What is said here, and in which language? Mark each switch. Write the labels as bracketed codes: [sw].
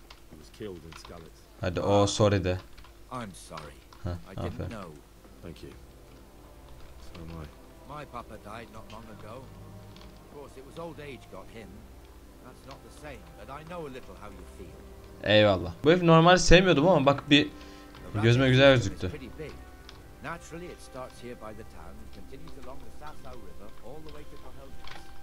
[en] He was killed in Skellitz. Oh, sorry there. I'm sorry. Huh, I didn't know. Thank you. So am I. My papa died not long ago. Of course, it was old age got him. That's not the same, but I know a little how you feel. [tr] Eyvallah. Bu herifi normalde sevmiyordum ama bak bir gözüme güzel gözüktü. [en] Naturally, it starts here by the town and continues along the Sasso River all the way to Cahokia.